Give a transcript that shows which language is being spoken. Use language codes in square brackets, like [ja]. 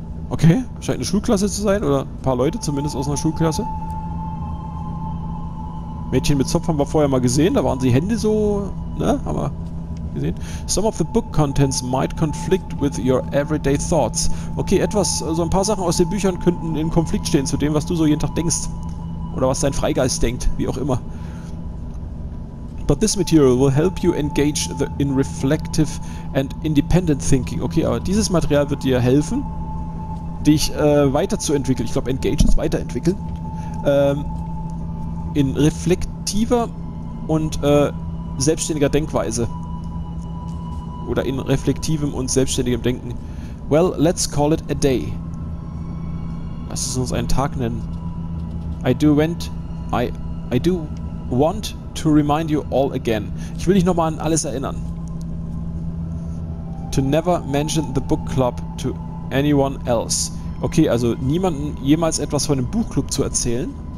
[de] Okay, scheint eine Schulklasse zu sein oder ein paar Leute zumindest aus einer Schulklasse. Mädchen mit Zopf haben wir vorher mal gesehen, da waren die Hände so, ne, aber gesehen. [en] Some of the book contents might conflict with your everyday thoughts. [de] Okay, etwas, so also ein paar Sachen aus den Büchern könnten in Konflikt stehen zu dem, was du so jeden Tag denkst. Oder was dein Freigeist denkt, wie auch immer. [en] But this material will help you engage in reflective and independent thinking. [de] Okay, aber dieses Material wird dir helfen, dich weiterzuentwickeln. Ich glaube, engage ist weiterentwickeln. In reflektiver und selbstständiger Denkweise. Oder in reflektivem und selbstständigem Denken. [en] Well, let's call it a day. [de] Lass es uns einen Tag nennen. [en] I do want to remind you all again. [de] Ich will dich nochmal an alles erinnern. [en] To never mention the book club to anyone else. [de] Okay, also niemanden jemals etwas von dem Buchclub zu erzählen.